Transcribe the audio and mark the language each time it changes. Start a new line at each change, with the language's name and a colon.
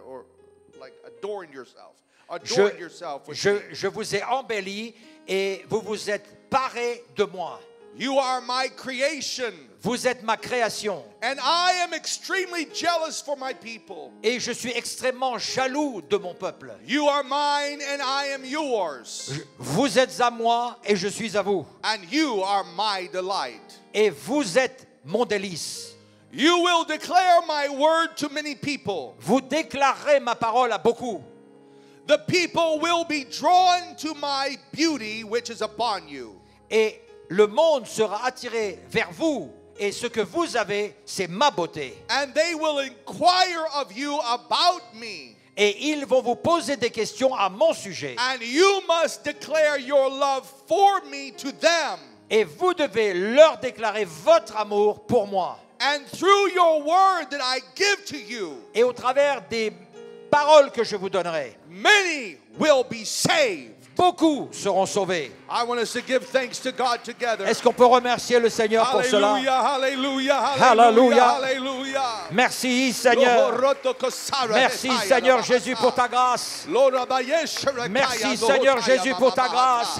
English: Or like adorned yourself. Adorned yourself with
French: je vous ai embelli et vous vous êtes paré de moi.
English: You are my creation.
French: Vous êtes ma création.
English: And I am extremely jealous for my people.
French: Et je suis extrêmement jaloux de mon peuple.
English: You are mine and I am yours.
French: Vous êtes à moi et je suis à vous.
English: And you are my delight.
French: Et vous êtes mon délice.
English: You will declare my word to many people.
French: Vous déclarerez ma parole à beaucoup.
English: The people will be drawn to my beauty which is upon you.
French: Et le monde sera attiré vers vous. Et ce que vous avez, c'est ma beauté.
English: And they will inquire of you about me.
French: Et ils vont vous poser des questions à mon sujet.
English: And you must declare your love for me to them.
French: Et vous devez leur déclarer votre amour pour moi.
English: And through your word that I give to you.
French: Et au travers des paroles que je vous donnerai.
English: Many will be saved.
French: Beaucoup seront sauvés.
English: I want us to give thanks to God together.
French: Est-ce qu'on peut remercier le Seigneur pour cela? Hallelujah, hallelujah, hallelujah. Merci Seigneur. Merci Seigneur Jésus pour ta grâce. Merci Seigneur Jésus pour ta grâce.